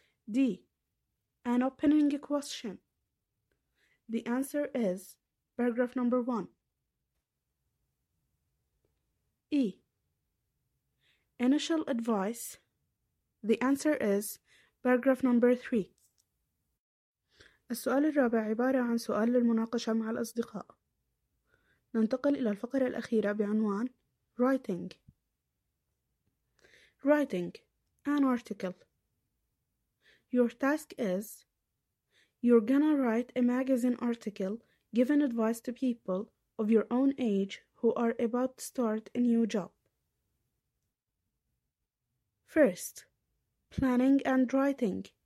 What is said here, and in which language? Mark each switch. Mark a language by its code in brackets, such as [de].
[en] D. An opening question. The answer is paragraph number one. E. Initial advice. The answer is paragraph number three. [ar] السؤال الرابع عبارة عن سؤال للمناقشة مع الأصدقاء. ننتقل إلى الفقرة الأخيرة بعنوان Writing. [en] Writing an article. Your task is you're gonna write a magazine article giving advice to people of your own age who are about to start a new job. First, planning and writing.